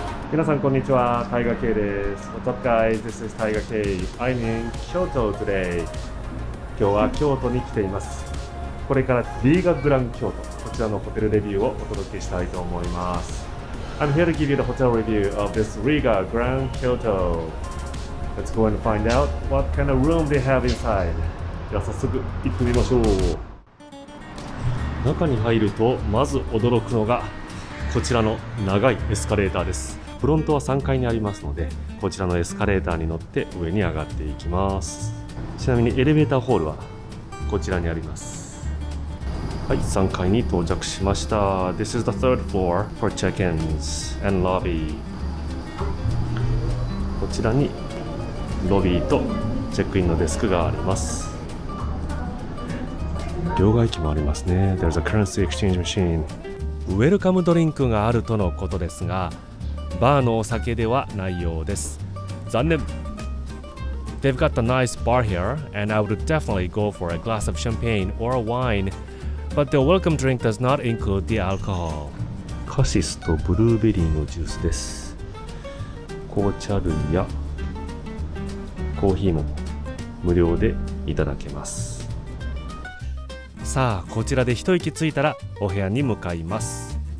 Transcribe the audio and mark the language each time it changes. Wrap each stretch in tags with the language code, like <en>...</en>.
<ja>皆さんこんにちは、タイガー K です。</ja> <en>What's up guys? This is Taiga K. I'm in Kyoto today.</en> <ja>今日は京都に来ています。これからリーガグラン京都、こちらのホテルレビューをお届けしたいと思います。</ja> <en>I'm here to give you the hotel review of this Riga Grand Kyoto. Let's go and find out what kind of room they have inside.</en> <ja>では早速行ってみましょう。中に入るとまず驚くのがこちらの長いエスカレーターです。フロントは3階にありますので、こちらのエスカレーターに乗って上に上がっていきます。ちなみにエレベーターホールはこちらにあります。はい、3階に到着しました。</ja> <en>This is the third floor for check-ins and lobby.</en> <ja>こちらにロビーとチェックインのデスクがあります。両替機もありますね。</ja> <en>There's a currency exchange machine.</en> <ja>ウェルカムドリンクがあるとのことですが、バーのお酒ではないようです。残念。</ja> <en>They've got a nice bar here and I would definitely go for a glass of champagne or wine, but the welcome drink does not include the alcohol.</en> <ja>カシスとブルーベリーのジュースです。紅茶類やコーヒーも無料でいただけます。さあ、こちらで一息ついたらお部屋に向かいます。</ja>